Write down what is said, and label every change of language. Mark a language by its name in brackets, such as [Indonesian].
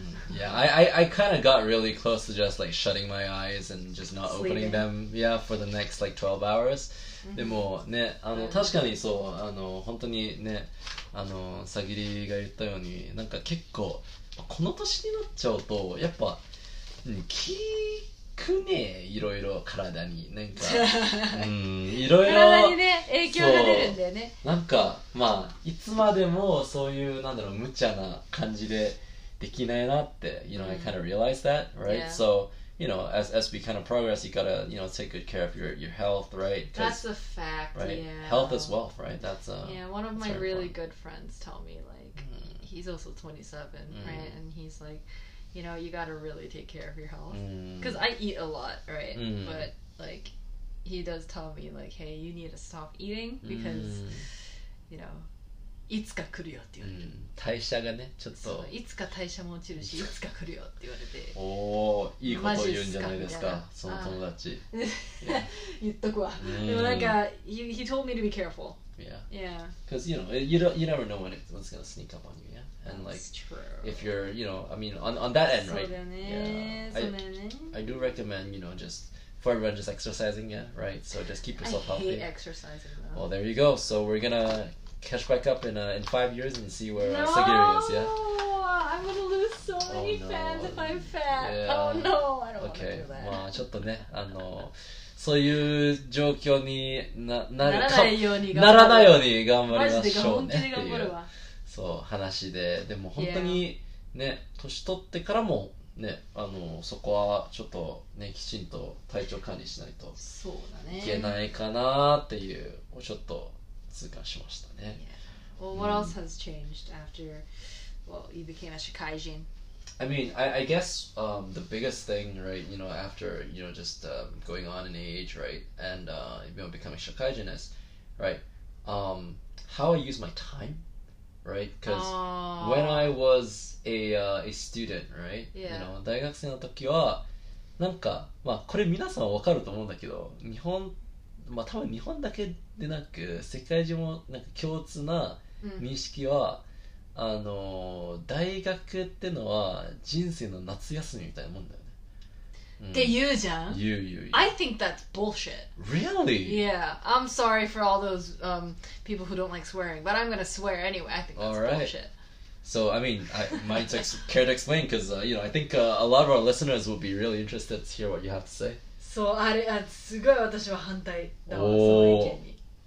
[English] Yeah, I kind of got really close to just like shutting my eyes and just not opening them, yeah, for the next like 12 hours. [Japanese] でもね、あの確かにそう、あの本当にね、あのさぎりが言ったように、なんか結構この年になっちゃうとやっぱ気くね、いろいろ体になんか、うん、いろいろ体にね影響が出るんだよね。なんかまあいつまでもそういうなんだろう無茶な感じで。できないなって、 [English] you know, I kind of realized that, right? Yeah. So, you know, as we kind of progress, you gotta, you know, take good care of your health, right? That's a fact, right? Yeah. Health is wealth, right? That's a... Yeah, one of my really good friends told me, like, he's also 27, right? And he's like, you know, you gotta really take care of your health. Because I eat a lot, right? But, like, he does tell me, like, hey, you need to stop eating because, you know... [Japanese] いつか来るよって言われる、うん、代謝がねちょっといつか代謝も落ちるしいつか来るよって言われておおいいこと言うんじゃないですかその友達言っとくわでもなんか [English] he told me to be careful yeah because you know you never know when it's gonna sneak up on you yeah and like if you're you know I mean on that end right [Japanese] そうだね、 [English] yeah. I do recommend you know justFor everyone just exercising, yeah, right? So just keep yourself healthy. I hate exercising, though. Well, there you go. So we're gonna catch back up in 5 years and see where Sagiri is, yeah? No! I'm gonna lose so many fans if I'm fat. Yeah. Oh no, I don't okay. wanna do that. [Japanese] まあ、ちょっとね、あの、そういう状況にならないように頑張る。ならないように頑張りましょうね。マジで本当に頑張るわ。そう、話で。でも本当にね、年取ってからも、ね、あのそこはちょっとねきちんと体調管理しないとそうだねいけないかなっていうをちょっと痛感しましたね、 [English] yeah. Well, what else has changed after well, you became a Shikaijin? I mean, I guess the biggest thing, right, you know, after, you know, just going on in age, right, and you know, becoming Shikaijin is, right, how I use my time, right, because when I wasa student, right? Yeah. [Japanese] You know, 大学生の時はなんかまあこれ皆さんわかると思うんだけど、日本まあ多分日本だけでなく世界中もなんか共通な認識は、うん、あの大学ってのは人生の夏休みみたいなもんだよね。って言うじゃん。言う。 [English] I think that's bullshit. Really? Yeah. I'm sorry for all those people who don't like swearing, but I'm gonna swear anyway. I think that's bullshit. So, I mean, I might care to explain because, you know, I think a lot of our listeners would be really interested to hear what you have to say. [Japanese] そう、あれ、あ、すごい私は反対だわ、その意見に。